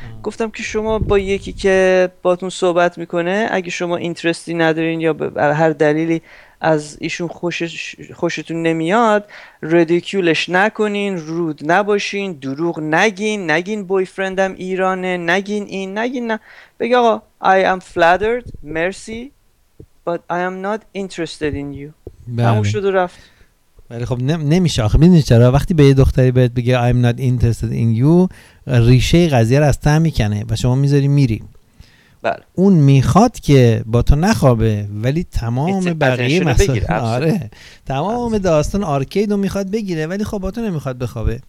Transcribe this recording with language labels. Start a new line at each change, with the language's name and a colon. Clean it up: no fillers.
Persian: گفتم که شما با یکی که باهاتون صحبت میکنه اگه شما اینترستی ندارین یا به هر دلیلی از ایشون خوشتون نمیاد، ریدیکولش نکنین، رود نباشین، دروغ نگین، نگین بویفرندم ایرانه، نگین این، نگین نه. بگه آقا
English: I am flattered, mercy, but I am not interested in you.
Persian: تموم شد و رفت. ولی خب نمیشه آخه، میدونی چرا؟ وقتی به یه دختری بهت بگه
English: I'm not interested in you،
Persian: ریشه قضیه رو از ته میکنه و شما میذاری میری. بله. اون میخواد که با تو نخوابه ولی تمام بقیه مسائل آره تمام داستان آرکید رو میخواد بگیره ولی خب با تو نمیخواد بخوابه.